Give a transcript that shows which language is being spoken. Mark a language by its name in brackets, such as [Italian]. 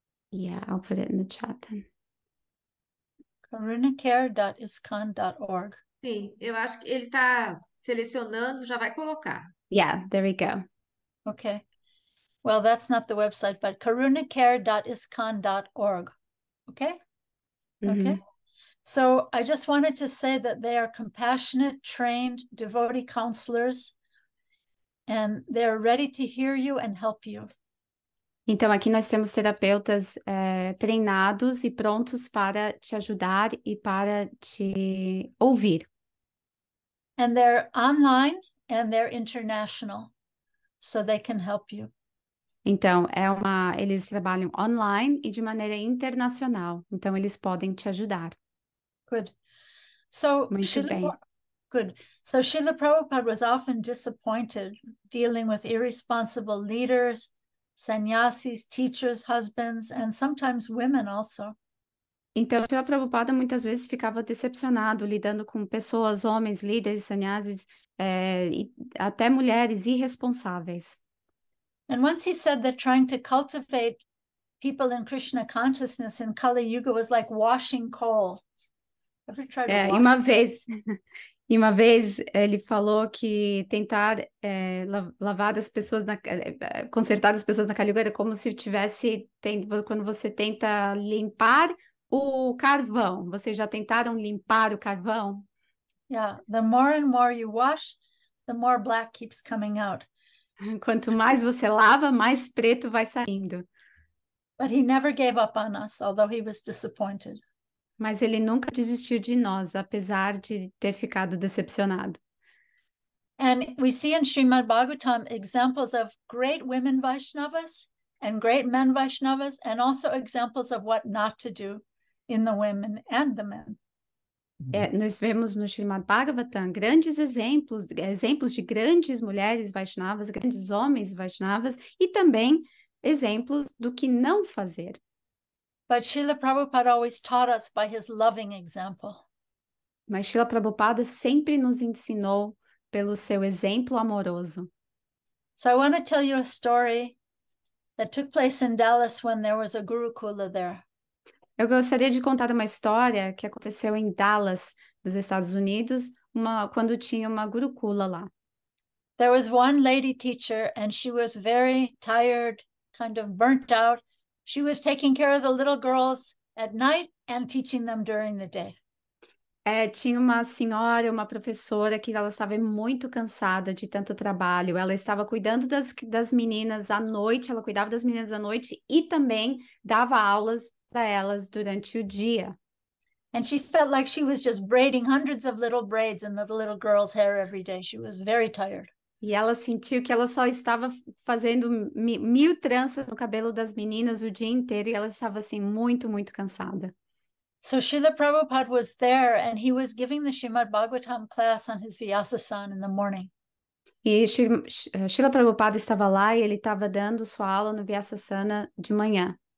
[English] Yeah, I'll put it in the chat then. Karunacare.iscon.org. [Portuguese] Sim, eu acho que ele está selecionando, já vai colocar. [English] Yeah, there we go. Okay. Well, that's not the website, but karunacare.iscon.org. Okay? Mm-hmm. Okay. So I just wanted to say that they are compassionate, trained, devotee counselors, and they're ready to hear you and help you. [Portuguese] Então, aqui nós temos terapeutas treinados e prontos para te ajudar e para te ouvir. [English] And they're online and they're international, so they can help you. [Portuguese] Então, eles trabalham online e de maneira internacional, então eles podem te ajudar. [English] Good. So, [Portuguese] muito Shilipa, bem. [English] Good. So, Srila Prabhupada was often disappointed dealing with irresponsible leaders, sannyasis, teachers, husbands, and sometimes women also. [Portuguese] Então, Srila Prabhupada muitas vezes ficava decepcionado lidando com pessoas, homens, líderes, sannyasis, até mulheres irresponsáveis. [English] And once he said that trying to cultivate people in Krishna consciousness in Kali Yuga was like washing coal. Ever tried to wash? [Portuguese] Uma vez ele falou que tentar lavar as pessoas, consertar as pessoas na Kali Yuga era como se tivesse, quando você tenta limpar o carvão. Vocês já tentaram limpar o carvão? [English] Yeah, the more and more you wash, the more black keeps coming out. [Portuguese] Quanto mais você lava, mais preto vai saindo. [English] But he never gave up on us, although he was disappointed. [Portuguese] Mas ele nunca desistiu de nós, apesar de ter ficado decepcionado. [English] And we see in Srimad Bhagavatam examples of great women Vaishnavas and great men Vaishnavas, and also examples of what not to do in the women and the men. [Portuguese] Nós vemos no Srimad Bhagavatam grandes exemplos de grandes mulheres Vaishnavas, grandes homens Vaishnavas e também exemplos do que não fazer. [English] But Srila Prabhupada always taught us by his loving example. [Portuguese] Mas Srila Prabhupada sempre nos ensinou pelo seu exemplo amoroso. [English] So I want to tell you a story that took place in Dallas when there was a Gurukula there. [Portuguese] Eu gostaria de contar uma história que aconteceu em Dallas, nos Estados Unidos, quando tinha uma gurukula lá. [English] There was one lady teacher, and she was very tired, kind of burnt out. She was taking care of the little girls at night and teaching them during the day. [Portuguese] Tinha uma senhora, uma professora, que ela estava muito cansada de tanto trabalho. Ela estava cuidando das meninas à noite, ela cuidava das meninas à noite e também dava aulas para elas durante o dia. [English] And she felt like she was just braiding hundreds of little braids in the little girl's hair every day. She was very tired. [Portuguese] E ela sentiu que ela só estava fazendo mil tranças no cabelo das meninas o dia inteiro e ela estava assim muito, muito cansada. [English] So Srila Prabhupada was there and he was giving the Srimad Bhagavatam class on his Vyasasan in the morning. [Portuguese] E Srila Prabhupada estava lá e ele estava dando sua aula no Vyasasana de manhã.